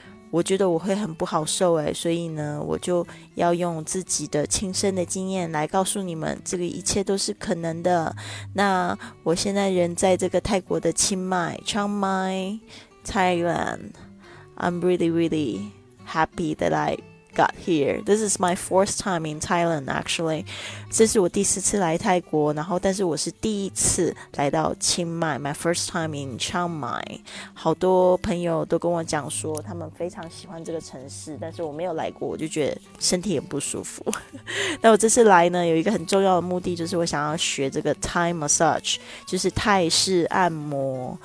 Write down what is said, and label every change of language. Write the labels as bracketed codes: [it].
[zh] 我觉得我会很不好受哎，所以呢，我就要用自己的亲身的经验来告诉你们，这个一切都是可能的。那我现在人在这个泰国的清迈 ，Chiang Mai, Thailand. [en] I'm really, really happy that I got here. This is my fourth time in Thailand, actually. [zh] 这是我第四次来泰国，然后但是我是第一次来到清迈 ， [en] my first time in Chiang Mai. [zh] 好多朋友都跟我讲说，他们非常喜欢这个城市，但是我没有来过，我就觉得身体很不舒服。那我这次来呢，有一个很重要的目的，就是我想要学这个 Thai massage， 就是泰式按摩。